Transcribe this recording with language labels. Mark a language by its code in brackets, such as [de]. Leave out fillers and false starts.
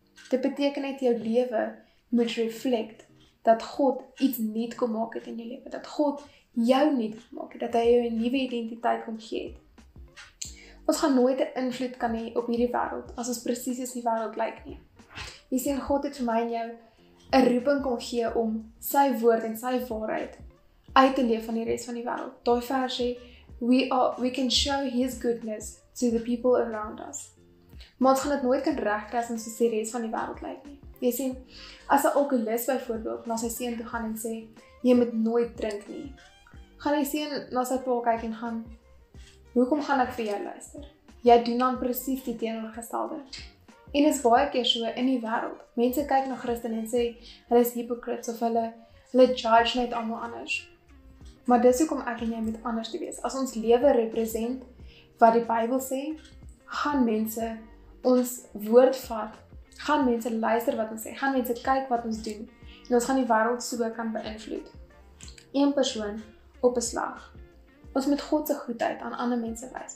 [af] Dit beteken net jou lewe moet reflect dat God iets nuut kom maak het in jou lewe, dat God jou nuut maak het, dat hy jou 'n nuwe identiteit kom gee het. Ons gaan nooit 'n invloed kan hê op hierdie wêreld as ons presies is die wêreld lyk nie. Jy sien God het vir my en jou 'n roeping kom gee om sy woord en sy waarheid uit te leef van die res van die wêreld. Daai vers sê [en] we can show his goodness to the people around us. [af] Maar ons gaan dit nooit kan regkry as ons soos die res van die wêreld lyk nie. Jy sien, as 'n alkoholist byvoorbeeld na sy seun toe gaan en sê jy moet nooit drink nie. Gaan hy seun na sy pa kyk en gaan, hoekom gaan ek vir jou luister? Jy doen dan presies die teenoorgestelde. En is baie keer so in die wêreld. Mense kyk na Christen en sê hulle is hypocrites of hulle judge net almal anders. Maar dis hoekom ek en jy moet anders te wees. As ons lewe represent wat die Bybel sê, gaan mense ons woord vat, gaan mense luister wat ons sê, gaan mense kyk wat ons doen, en ons gaan die wêreld so kan beïnvloed. Een persoon op 'n slag. Ons moet God se goedheid aan ander mense wys.